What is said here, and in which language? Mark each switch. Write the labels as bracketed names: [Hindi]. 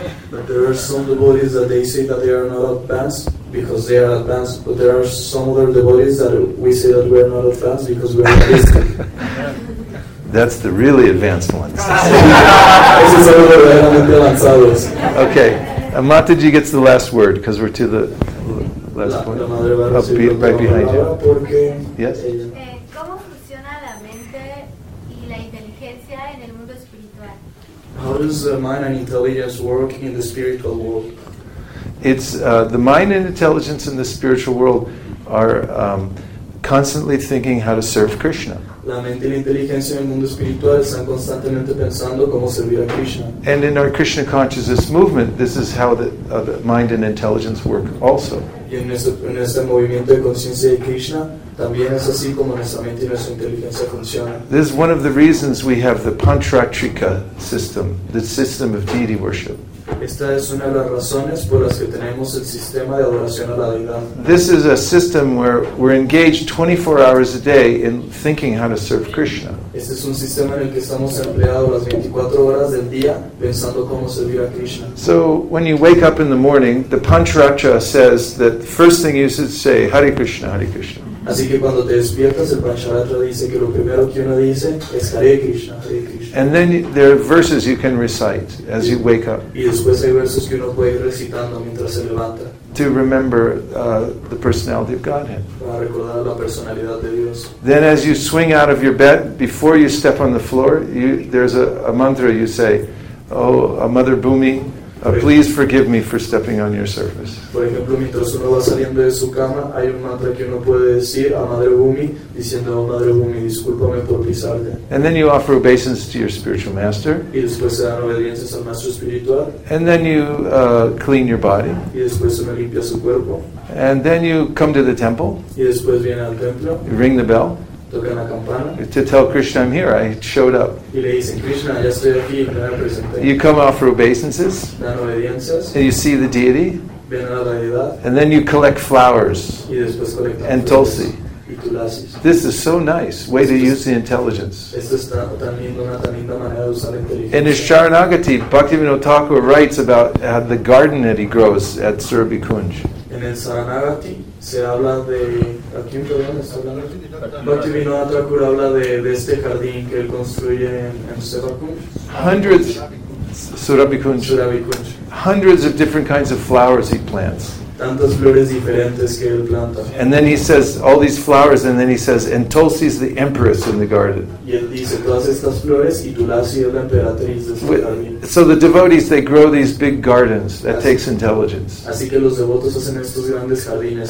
[English] But there are some devotees that they say that they are not advanced because they are advanced, but there are some other devotees that we say that we are not advanced because we are realistic. That's the really advanced ones. Okay, Mataji gets the last word because we're to the last point. I'll be right behind you. Yes? [Spanish] ¿Cómo funciona la mente y la inteligencia en el mundo espiritual? [English] How does the mind and intelligence work in the spiritual world? It's the mind and intelligence in the spiritual world are constantly thinking how to serve Krishna. [Spanish] La mente y la inteligencia en el mundo espiritual están constantemente pensando cómo servir a Krishna. [English] And in our Krishna consciousness movement, this is how the mind and intelligence work also. [Spanish] Y en este movimiento de conciencia de Krishna, también es así como nuestra mente y nuestra inteligencia funcionan. [English] This is one of the reasons we have the Pantratrika system, the system of deity worship. [Spanish] Esta es una de las razones por las que tenemos el sistema de adoración a la deidad. [English] This is a system where we're engaged 24 hours a day in thinking how to serve Krishna. [Spanish] Este es un sistema en el que estamos empleados las 24 horas del día pensando cómo servir a Krishna. [English] So when you wake up in the morning, the Pancharatra says that the first thing you should say, Hare Krishna, Hare Krishna. [Spanish] Así que cuando te despiertas, el Pancharatra dice que lo primero que uno dice es Hare Krishna, Hare Krishna. [English] And then there are verses you can recite as you wake up. [Spanish] Y después hay versos que uno puede ir recitando mientras se levanta. [English] To remember the personality of Godhead. [Spanish] Para recordar la personalidad de Dios. [English] Then as you swing out of your bed, before you step on the floor, there's a mantra you say, Oh, Mother Bhumi, please forgive me for stepping on your surface. [Spanish] Por ejemplo, mientras uno va saliendo de su cama, hay un mantra que uno puede decir a Madre Bhumi, diciendo, oh, Madre Bhumi, discúlpame por pisarte. [English] And then you offer obeisance to your spiritual master. [Spanish] Y después se dan obediencias al maestro espiritual. [English] And then you clean your body. [Spanish] Y después uno limpia su cuerpo. [English] And then you come to the temple. [Spanish] Y después viene al templo. [English] You ring the bell. [Spanish] Tocan la campana. [English] To tell Krishna, I'm here, I showed up. [Spanish] Y le dicen, Krishna, ya estoy aquí, me presenté. [English] You come offer obeisances. [Spanish] Dan obediencias. [English] And you see the deity. [Spanish] Ven a la deidad. [English] And then you collect flowers. [Spanish] Y después colectan [English] and tulsi. [Spanish] Y tulasis. [English] This is so nice, way to use the intelligence. [Spanish] Esto es tan lindo, una tan linda manera de usar la inteligencia. [English] In his Charanagati, Bhaktivinoda Thakur writes about the garden that he grows at Surabhi Kunj. [Spanish] En el Charanagati se habla de... Aquí en Perú, ¿está hablando? Bhaktivinoda Thakur habla de este jardín que él construye en Surabhi Kunj. [English] Hundreds... Surabhi Kunj. Surabhi Kunj. Hundreds of different kinds of flowers he plants. [Spanish] tantas flores diferentes que él planta. [English] And then he says all these flowers, and then he says, and Tulsi's the empress in the garden. [Spanish] Y él dice todas estas flores y Tulsi es la emperatriz de este jardín. [English] So the devotees, they grow these big gardens. That takes intelligence. [Spanish] Así que los devotos hacen estos grandes jardines.